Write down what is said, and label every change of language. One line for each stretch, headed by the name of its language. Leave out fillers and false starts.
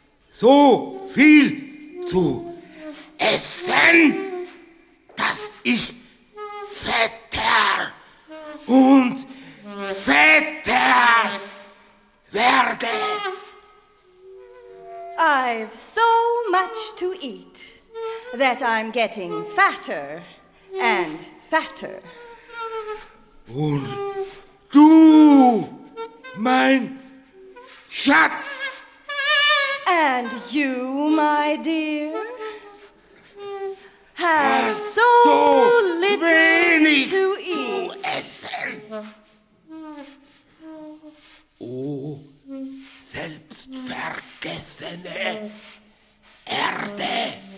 German: So viel zu essen, dass ich fetter und fetter werde.
English: I've so much to eat that I'm getting fatter and fatter.
German: Und du, mein Schatz,
English: and you, my dear, have so little
German: wenig
English: to eat.
German: Zu essen. Oh, selbstvergessene Erde.